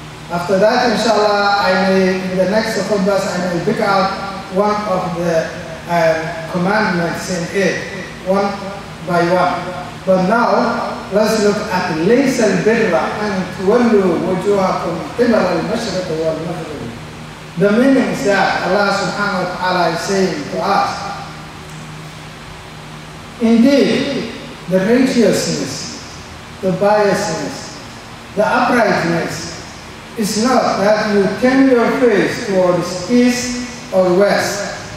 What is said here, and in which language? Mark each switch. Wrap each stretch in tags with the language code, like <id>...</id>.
<en>After that, inshallah, I may, in the next khutbah, I may pick out one of the commandments in it, one by one. But now, let's look at</en> <ar>ليس البر أن تولوا وجوهكم قبل المشرق والمغرب.</ar> <en>The meaning is that Allah subhanahu wa ta'ala is saying to us, indeed, the righteousness, the biasness, the uprightness is not that you turn your face towards east or west.</en>